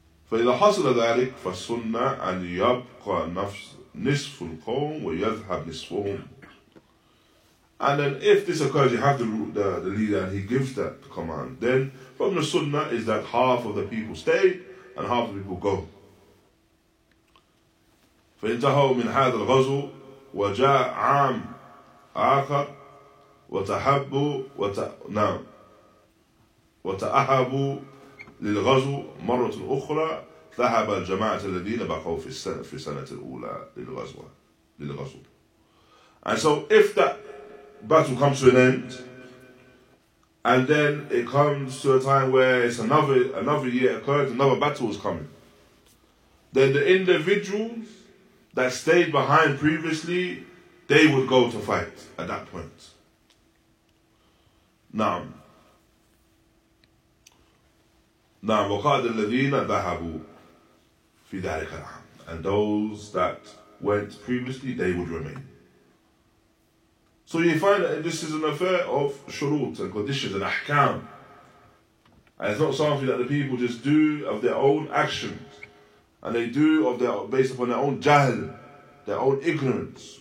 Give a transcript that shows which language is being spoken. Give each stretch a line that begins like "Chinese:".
Arabic: فَإِذَا حَصَلَ ذَلِكَ فَالسُنَّةَ أَنْ يَبْقَى نِصْفُ الْقَوْمِ وَيَذْهَبْ نِصْفُهُمْ.
English: And then if this occurs, you have the leader and he gives that command. Then from the sunnah is that half of the people stay and half of the people go.
Arabic: فَإِنْتَهَوْ مِنْ هَذَا الْغَزُوْ وَجَاءَ عَامْ آخَرْ وَتَحَبُّ للغزو مرة أخرى ذهب الجماعة الذين بقوا في السنة الأولى للغزو.
English: And so if that battle comes to an end, and then it comes to a time where it's another year occurs, another battle is coming, then the individuals that stayed behind previously, they would go to fight at that point.
Arabic: Naam. نعم وقاد الذين ذهبوا في ذلك العام.
English: And those that went previously, they would remain. So you find that this is an affair of shurut and conditions and ahkam. And it's not something that the people just do of their own actions. And they do of their based upon their own jahl, their own ignorance.